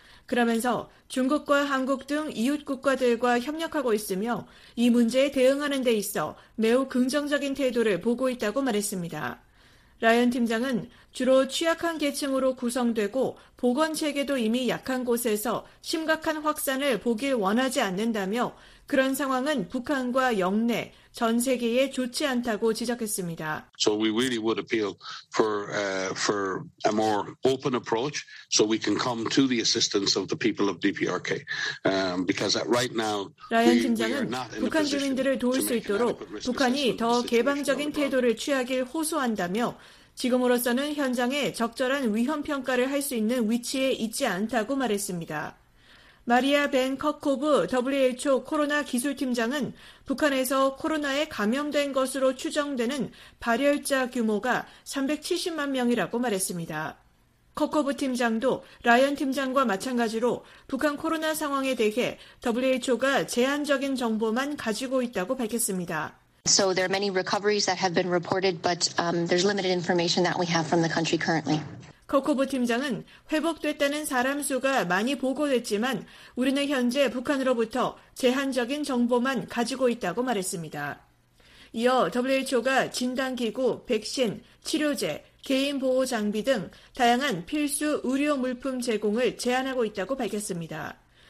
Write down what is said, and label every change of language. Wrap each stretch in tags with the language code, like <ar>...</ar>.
<ko>그러면서 중국과 한국 등 이웃 국가들과 협력하고 있으며 이 문제에 대응하는 데 있어 매우 긍정적인 태도를 보고 있다고 말했습니다. 라이언 팀장은 주로 취약한 계층으로 구성되고 보건체계도 이미 약한 곳에서 심각한 확산을 보길 원하지 않는다며 그런 상황은 북한과 영내, 전 세계에 좋지 않다고 지적했습니다.</ko> <en>So we really would appeal for a more open approach so we can come to the assistance of the people of DPRK. Because right now,</en> <ko>라이언 팀장은 북한 주민들을 도울 수 있도록 북한이 더 개방적인 태도를 취하길 호소한다며 지금으로서는 현장에 적절한 위험 평가를 할 수 있는 위치에 있지 않다고 말했습니다. 마리아 벤 커코브 WHO 코로나 기술팀장은 북한에서 코로나에 감염된 것으로 추정되는 발열자 규모가 370만 명이라고 말했습니다. 커코브 팀장도 라이언 팀장과 마찬가지로 북한 코로나 상황에 대해 WHO가 제한적인 정보만 가지고 있다고 밝혔습니다.</ko> <en>So there are many recoveries that have been reported, but there's limited information that we have from the country currently.</en> <ko>커코브 팀장은 회복됐다는 사람 수가 많이 보고됐지만 우리는 현재 북한으로부터 제한적인 정보만 가지고 있다고 말했습니다. 이어 WHO가 진단기구, 백신, 치료제, 개인 보호 장비 등 다양한 필수 의료 물품 제공을 제한하고 있다고 밝혔습니다.</ko>